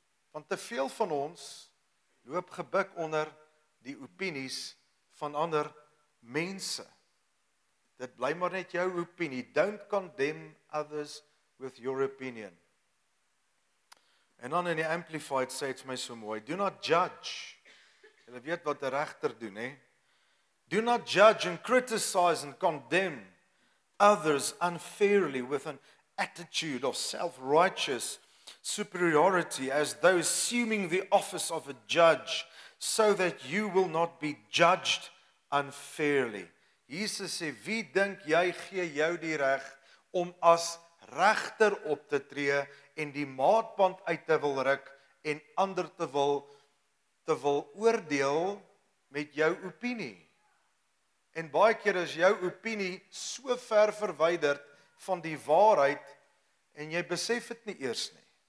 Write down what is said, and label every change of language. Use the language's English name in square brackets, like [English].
[Afrikaans] Want te veel van ons loop gebuk onder die opinies van ander mense. Dit bly maar net jou opinie. [English] Don't condemn others with your opinion. [Afrikaans] En dan in die Amplified sê dit my so mooi, [English] do not judge. [Afrikaans] Hulle weet wat 'n regter doen, hè? [English] Do not judge and criticize and condemn others unfairly with an attitude of self-righteous superiority as though assuming the office of a judge so that you will not be judged unfairly. [Afrikaans] Jesus sê, wie dink jy gee jou die reg om as regter op te tree en die maatband uit te wil ruk en ander te wil oordeel met jou opinie? En baie keer is jou opinie so ver verwyderd van die waarheid en jy besef dit nie eers nie.